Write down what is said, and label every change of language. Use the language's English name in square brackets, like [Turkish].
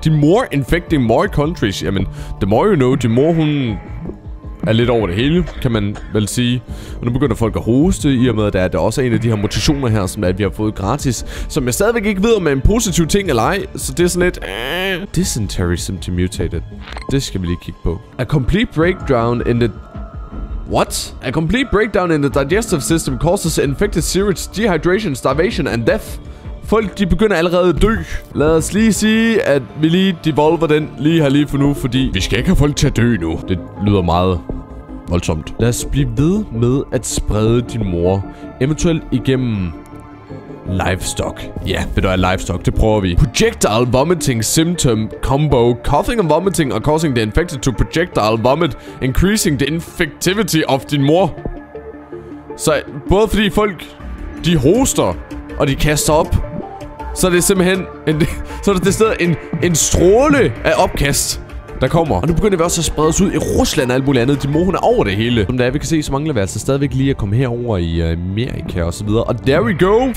[English] Din mor infecting more countries. Jamen, the more you know, din mor hun... [Danish] Er lidt over det hele, kan man vel sige. Og nu begynder folk at hoste, i og med at der også er en af de her mutationer her, som vi har fået gratis. Som jeg stadigvæk ikke ved, om er en positiv ting eller ej. Så det er sådan lidt... [English] Dysentery symptom mutated. [Danish] Det skal vi lige kigge på. [English] A complete breakdown in the digestive system causes infected sewage, dehydration, starvation and death. [Danish] Folk, de begynder allerede at dø. Lad os lige sige, at vi lige devolver den lige her lige for nu, fordi vi skal ikke have folk til at dø nu. Det lyder meget voldsomt. Lad os blive ved med at sprede din mor, eventuelt igennem livestock. Ja, ved du hvad, livestock, det prøver vi. [English] Projectile vomiting symptom combo. Coughing and vomiting are causing the infected to projectile vomit, increasing the infectivity of din mor. [Danish] Så både fordi folk, de hoster, og de kaster op, så er det simpelthen en, så er det stadig en stråle af opkast, der kommer. Og nu begynder vi også at sprede os ud i Rusland og alt muligt andet. Din mor, hun er over det hele. Som det er, vi kan se, så mangler vi altså stadigvæk lige at komme herover i Amerika og så videre. Og [English] there we go.